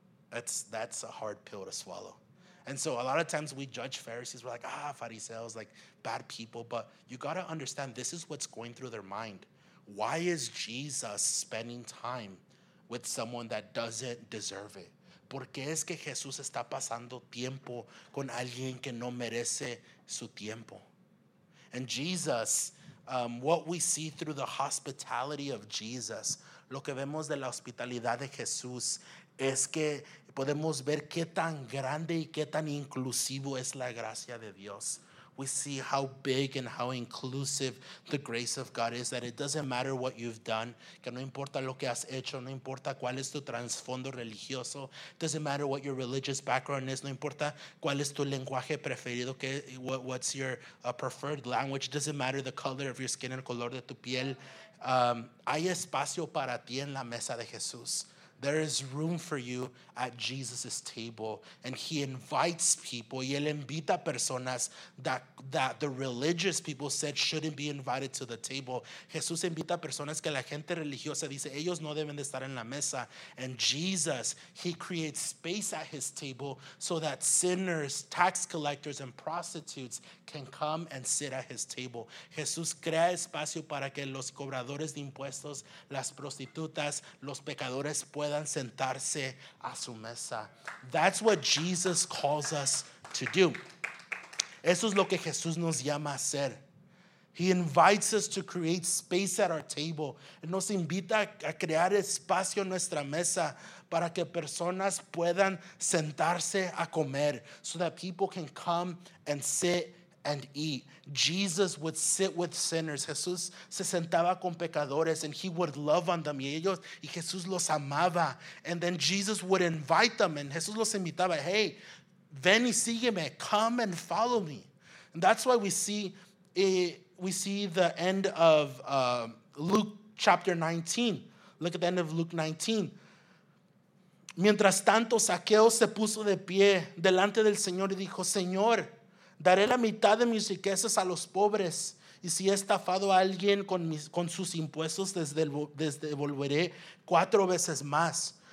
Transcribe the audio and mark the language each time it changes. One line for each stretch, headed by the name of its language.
English: That's a hard pill to swallow. And so a lot of times we judge Pharisees. We're like, Pharisees, like bad people. But you got to understand, this is what's going through their mind. Why is Jesus spending time with someone that doesn't deserve it?
Spanish: ¿Por qué es que Jesús está pasando tiempo con alguien que no merece su tiempo?
English: And Jesus, what we see through the hospitality of Jesus,
Spanish: lo que vemos de la hospitalidad de Jesús, es que podemos ver qué tan grande y qué tan inclusivo es la gracia de Dios.
English: We see how big and how inclusive the grace of God is, that it doesn't matter what you've done,
Spanish: que no importa lo que has hecho, no importa cuál es tu trasfondo religioso,
English: doesn't matter what your religious background is,
Spanish: no importa cuál es tu lenguaje preferido,
English: what's your preferred language, doesn't matter the color of your skin,
Spanish: el color de tu piel, hay espacio para ti en la mesa de Jesús.
English: there is room for you at Jesus' table. And he invites people,
Spanish: y él invita personas
English: that the religious people said shouldn't be invited to the table.
Spanish: Jesús invita personas que la gente religiosa dice ellos no deben de estar en la mesa.
English: And Jesus, he creates space at his table so that sinners, tax collectors, and prostitutes can come and sit at his table.
Spanish: Jesús crea espacio para que los cobradores de impuestos, las prostitutas, los pecadores puedan sentarse a su mesa.
English: That's what Jesus calls us to do.
Spanish: Eso es lo que Jesús nos llama a hacer.
English: He invites us to create space at our table.
Spanish: Nos invita a crear espacio en nuestra mesa para que personas puedan sentarse a comer,
English: so that people can come and sit and eat. Jesus would sit with sinners.
Spanish: Jesús se sentaba con pecadores,
English: and he would love on them.
Spanish: Y Jesús los amaba.
English: And then Jesus would invite them, and
Spanish: Jesús los invitaba, hey, ven y sígueme,
English: come and follow me. And that's why we see the end of Luke chapter 19. Look at the end of Luke 19.
Spanish: Mientras tanto, Zaqueo se puso de pie delante del Señor y dijo, Señor, daré la mitad de mis riquezas a los pobres, y si he estafado a alguien con sus impuestos, desde devolveré cuatro veces más.